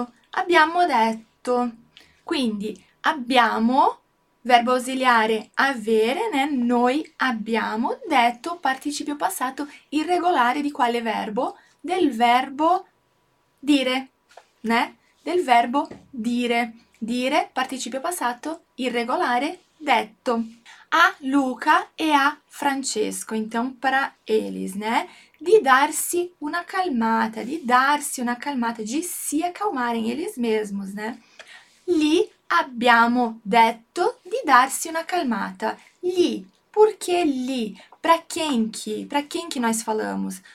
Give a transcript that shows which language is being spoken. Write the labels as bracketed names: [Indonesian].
[Italian] Abbiamo detto. Quindi abbiamo, verbo ausiliare avere, né? Noi abbiamo detto, participio passato irregolare di quale verbo? Del verbo dire, né? Del verbo dire. Dire, participio passato irregolare, detto. A Luca e a Francesco, [Portuguese] então para eles, né? [Italian] Di darsi una calmata, di darsi una calmata, di [Portuguese] si acalmarem eles mesmos, né? [Italian] Lì abbiamo detto di darsi una calmata. Lì, perché lì? [Portuguese] Para quem que nós falamos?